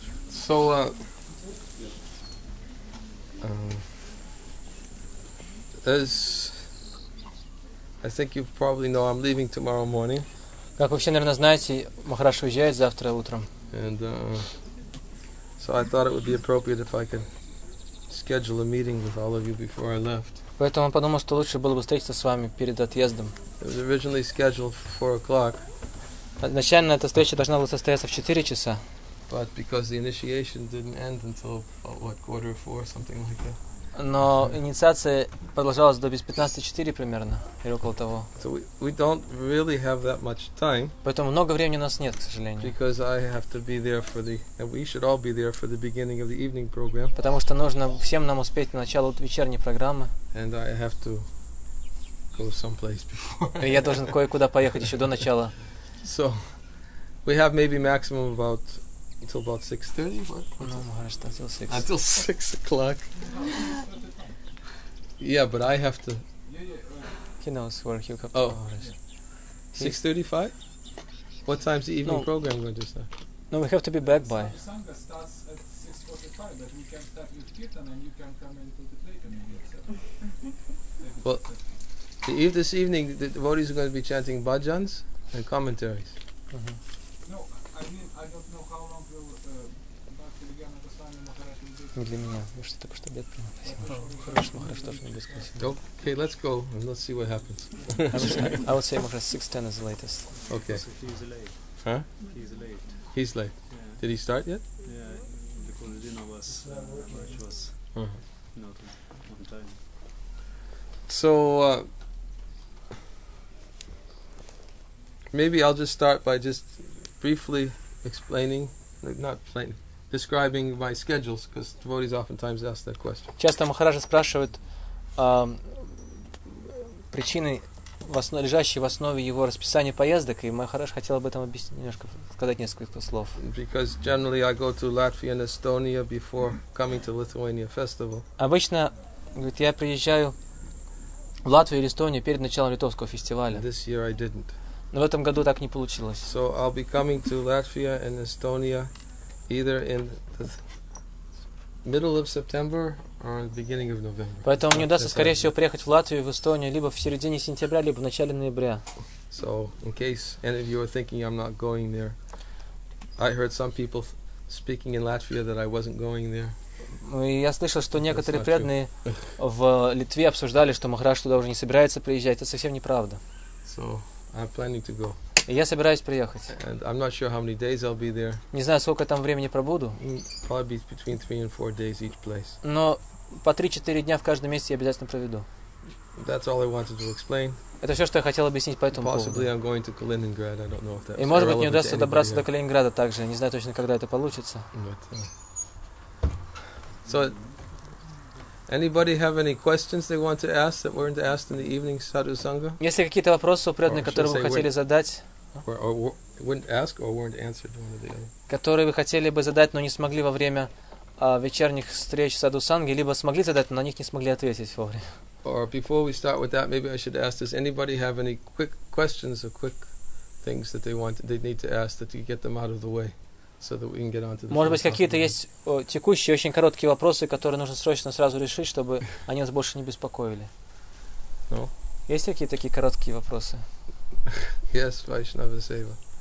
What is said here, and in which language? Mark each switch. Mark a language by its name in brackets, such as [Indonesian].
[English] So, as I think you probably know, I'm leaving tomorrow morning. [Russian] Как вы все, наверное, знаете, Махараш уезжает завтра утром. [English] And so I thought it would be appropriate if I could schedule a meeting with all of you before I left. [Russian] Поэтому подумал, что лучше было бы встретиться с вами перед отъездом. [English] It was originally scheduled for 4:00. [Russian] Изначально эта встреча должна была состояться в 4:00. [English] But because the initiation didn't end until what, 4:15, something like that. [Russian] Но инициация продолжалась до без 15:15 примерно, или около того. [English] So we don't really have that much time. [Russian] Поэтому много времени у нас нет, к сожалению. [English] Because I have to be there for the, and we should all be there for the beginning of the evening program. [Russian] Потому что нужно всем нам успеть на начало вечерней программы. [English] And I have to go someplace before. [Russian] Я должен кое-куда поехать еще до начала. [English] So we have maybe maximum about until about 6:30, what? No, Maharaj, until 6. Until 6 o'clock. Yeah, but I have to... He knows where he'll come from. Oh, 6:35? What time's the evening program going to start? No, we have to be back by. Sangha starts at 6:45, but we can start with Kirtan and you can come into the playground immediately. Well, this evening, the devotees are going to be chanting bhajans and commentaries. No, I mean, I don't know how long will Bhakti Vigyana Goswami Maharaj will be. [Russian] Не для меня. Вы что, только что обед принял? Спасибо. Хорошо, Махараш тоже не без красивого. [English] Okay, let's go and let's see what happens. I would say Махараш 6:10 is the latest. Okay. He's late. Huh? He's late. He's late. Yeah. Did he start yet? Yeah, because Dina was, which was not on time. So, maybe I'll just start by just briefly explaining, not plain, describing my schedules, because devotees oftentimes ask that question. [Russian] Часто Махараджа спрашивают причины, лежащие в основе его расписания поездок, и Махарадж хотел об этом объяснить немножко, сказать несколько слов. [English] Because generally I go to Latvia and Estonia before coming to Lithuania festival. [Russian] Обычно, говорит, я приезжаю в Латвию или Эстонию перед началом литовского фестиваля. [English] This year I didn't. [Russian] Но в этом году так не получилось. [English] So I'll be coming to Latvia and Estonia either in the middle of September or the beginning of November. [Russian] Поэтому мне удастся, скорее всего, приехать в Латвию и в Эстонию либо в середине сентября, либо в начале ноября. [English] So in case any of you are thinking I'm not going there, I heard some people speaking in Latvia that I wasn't going there. [Russian] И я слышал, что некоторые преданные в Литве обсуждали, что Махарадж туда уже не собирается приезжать. Это совсем неправда. [English] So I'm planning to go. [Russian] Я собираюсь приехать. [English] And I'm not sure how many days I'll be there. [Russian] Не знаю, сколько там времени пробуду. [English] Probably between 3 and 4 days each place. [Russian] Но по 3-4 дня в каждом месте я обязательно проведу. [English] That's all I wanted to explain. [Russian] Это все, что я хотел объяснить по этому [English] Possibly I'm going to Kaliningrad. I don't know if that's [Russian] И может быть мне удастся добраться до Калининграда также. Не знаю точно, когда это получится. [English] But, So, anybody have any questions they want to ask that weren't asked in the evening sadhusanga? [Russian] Если какие-то вопросы преданные, которые вы хотели задать, которые вы хотели бы задать, но не смогли во время вечерних встреч садхусанги, либо смогли задать, но на них не смогли ответить вовремя. [English] Or before we start with that, maybe I should ask: Does anybody have any quick questions or quick things that they need to ask that to get them out of the way? So that we can get on to the [Russian] Может быть, какие-то есть текущие, очень короткие вопросы, которые нужно срочно сразу решить, чтобы они нас больше не беспокоили. [English] No? [Russian] Есть какие-то такие короткие вопросы? [English] Yes, Vaishnava Seva.